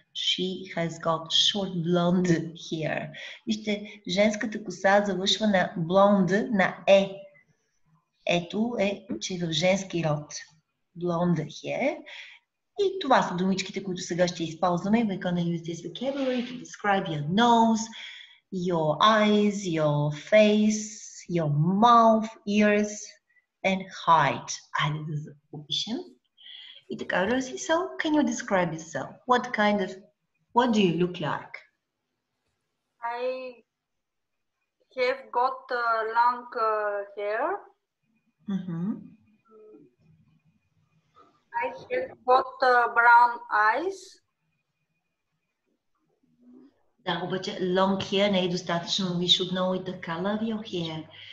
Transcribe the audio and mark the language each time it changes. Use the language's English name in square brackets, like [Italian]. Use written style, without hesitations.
[English] She has got short blonde hair. [Bulgarian] Вижте, женската коса завършва на blonde, на E. Ето е, че в женски род. [English] Blonde hair. [Bulgarian] И това са думичките, които сега ще използваме. [English] We're going to use this vocabulary to describe your nose, your eyes, your face, your mouth, ears, and height. [Bulgarian] Айде да запишем. И така, Руси, [English] so can you describe yourself? What kind of, what do you look like? I have got long hair. I have got brown eyes. [Bulgarian] Да, обаче [English] long hair [Bulgarian] не е достатъчно. [English] We should know the color of your hair.